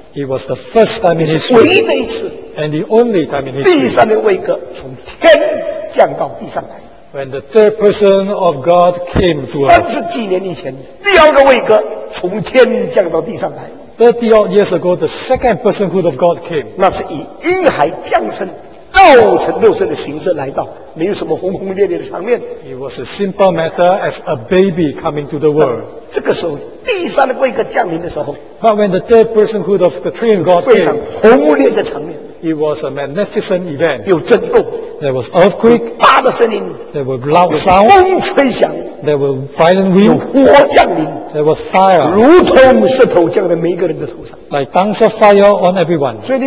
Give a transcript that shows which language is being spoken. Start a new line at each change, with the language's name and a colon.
English: It was the first time in history.
Chinese: 唯一的一次。
English: And the only time in history.
Chinese: 第三位格从天降到地上来。
English: When the third person of God came to us,
Chinese: 30几年以前，第二个位格从天降到地上来。
English: 30 odd years ago, the second personhood of God came.
Chinese: 那是以婴孩降生、肉身的形式来到，没有什么轰轰烈烈的场面。
English: It was a simple matter as a baby coming to the world.
Chinese: 这个时候，第三个位格降临的时候，
English: But when the third personhood of the Triune God came,
Chinese: 非常轰烈的场面。
English: It was a magnificent event.
Chinese: 有震动。
English: There was earthquake.
Chinese: 有大的声音。
English: There were loud sound.
Chinese: 有风吹响。
English: There were violent wind.
Chinese: 有火降临。
English: There was fire.
Chinese: 如同石头降在每一个人的头上。
English: Like tongues of fire on everyone.